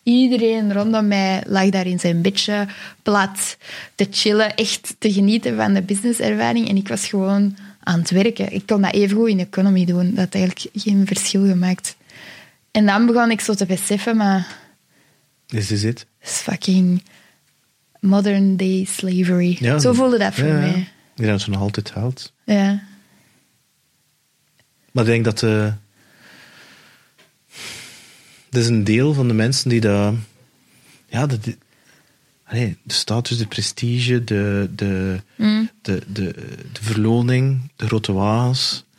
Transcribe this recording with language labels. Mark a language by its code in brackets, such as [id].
[nl] Iedereen rondom mij lag daar in zijn bedje plat te chillen, echt te genieten van de businesservaring. En ik was gewoon... aan het werken. Ik kon dat even goed in economy doen. Dat had eigenlijk geen verschil gemaakt. En dan begon ik zo te beseffen, maar... [en] This is it. It's fucking modern day slavery. [nl] Ja, zo voelde dat voor mij. Ik denk dat ze nog altijd haalt. Ja. Maar ik denk dat... Er is een deel van de mensen die dat... Ja, dat... Allee, de status, de prestige, de verloning, de grote wagens.